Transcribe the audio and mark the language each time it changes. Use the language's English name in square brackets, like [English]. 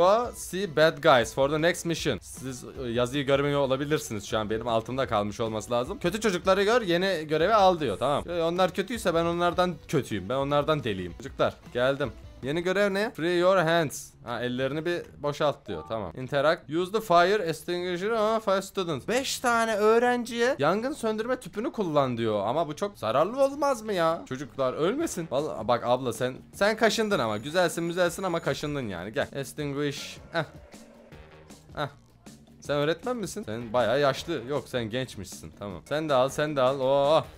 [English] Go see bad guys for the next mission. [Turkish] Siz yazıyı görmüyor olabilirsiniz şu an. Benim altımda kalmış olması lazım. Kötü çocukları gör, yeni görevi al diyor. Tamam. Onlar kötüyse ben onlardan kötüyüm. Ben onlardan deliyim. Çocuklar, geldim. Yeni görev ne? [English] Free your hands. [Turkish] Ha, ellerini bir boşalt diyor. Tamam. Interact. [English] Use the fire extinguisher on five students. [Turkish] 5 tane öğrenciye yangın söndürme tüpünü kullan diyor. Ama bu çok zararlı olmaz mı ya? Çocuklar ölmesin. Vallahi bak abla sen kaşındın ama. Güzelsin güzelsin ama kaşındın yani. Gel. Extinguish. Sen öğretmen misin? Sen bayağı yaşlı. Yok sen gençmişsin. Tamam. Sen de al. Oo.